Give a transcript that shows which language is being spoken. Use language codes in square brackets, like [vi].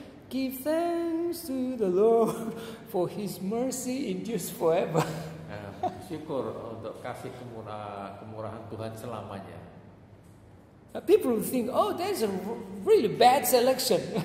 [en] Give thanks to the Lord for His mercy endures forever. [id] Syukur untuk kasih kemurahan Tuhan selamanya. [en] People will think, oh, that's a really bad selection.